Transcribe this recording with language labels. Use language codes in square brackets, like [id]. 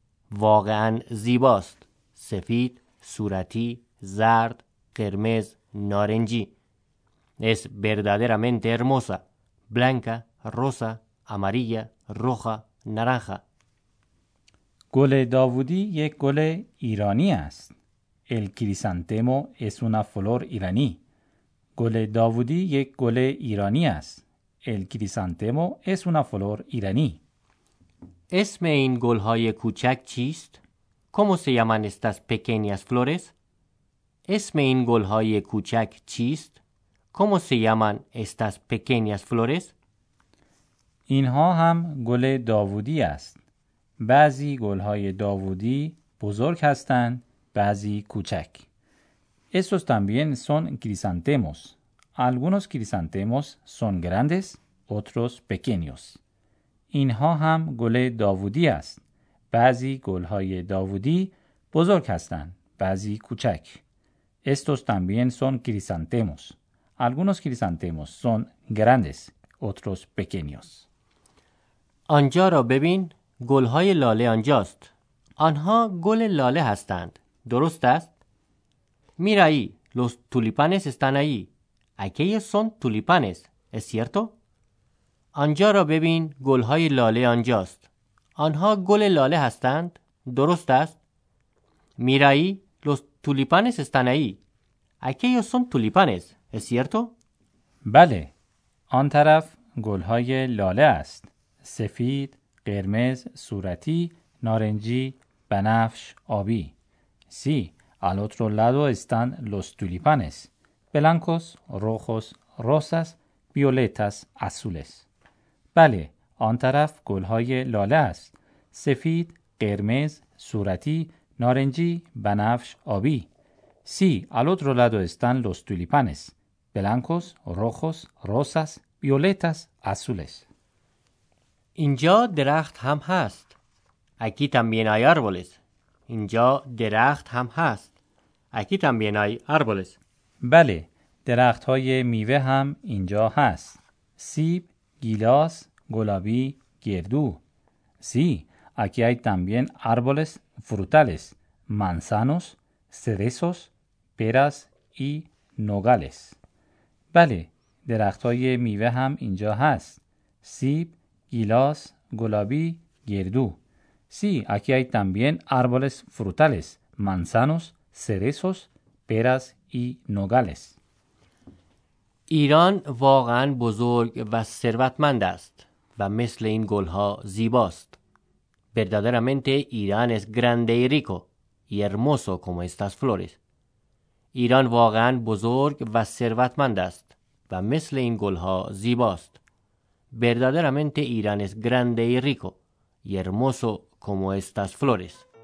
[fa] واقعا زیباست. سفید، صورتی، زرد، قرمز، نارنجی. [es] Es verdaderamente hermosa. Blanca, rosa, amarilla, roja, naranja. [fa] گل داوودی یک گل ایرانی است. [es] El crisantemo es una flor iraní. [fa] گل داوودی یک گل ایرانی است. [es] El crisantemo es una flor iraní. [fa] اسم این گل‌های کوچک چیست؟ [es] ¿Cómo se llaman estas pequeñas flores? [fa] اسم این گل‌های کوچک چیست؟ [es] ¿Cómo se llaman estas pequeñas flores? [fa] اینها هم گل داوودی است. بعضی گل‌های داوودی بزرگ هستند، بعضی کوچک. [es] Estos también son crisantemos. Algunos crisantemos son grandes, otros pequeños. [fa] اینها هم گل داوودی است. بعضی گل‌های داوودی بزرگ هستند، بعضی کوچک. [es] Estos también son crisantemos. Algunos crisantemos son grandes, otros pequeños. [fa] آنجا را ببین، گل‌های لاله آنجاست. آنها گل لاله هستند. درست است؟ [es] Mira ahí, los tulipanes están ahí. Aquellos son tulipanes, ¿es cierto? [fa] آنجا را ببین، گل‌های لاله آنجاست. آنها گل لاله هستند. درست است؟ [es] Mira ahí, los tulipanes están ahí. Aquellos son tulipanes, ¿es cierto? [fa] بله. آن طرف گل‌های لاله است. سفید، قرمز، صورتی، نارنجی، بنفش، آبی. [es] Sí, al otro lado están los tulipanes. Blancos, rojos, rosas, violetas, azules. [fa] بله. آن طرف گل‌های لاله است. سفید، قرمز، صورتی، نارنجی، بنفش، آبی. [es] Sí, al otro lado están los tulipanes. Blancos, rojos, rosas, violetas, azules. [fa] اینجا درخت هم هست. [es] Aquí también hay árboles. [fa] اینجا درخت هم هست. [es] Aquí también hay árboles. [fa] بله، درخت های میوه هم اینجا هست. سیب، گیلاس، گلابی، گردو. [es] Sí, aquí hay también árboles frutales. Manzanos, cerezos, peras y nogales. [fa] بله، درخت‌های میوه هم اینجا هست. سیب، گیلاس، گلابی، گردو. [es] Sí, aquí hay también árboles frutales. Manzanos, cerezos, peras y nogales. [fa] ایران واقعاً بزرگ و ثروتمند است و مثل این گل‌ها زیباست. [es] Verdaderamente Irán es grande y rico. Y hermoso como estas flores. [fa] ایران واقعا بزرگ و ثروتمند است و مثل این گلها زیباست. [es] Verdaderamente Irán es grande y rico y hermoso como estas flores.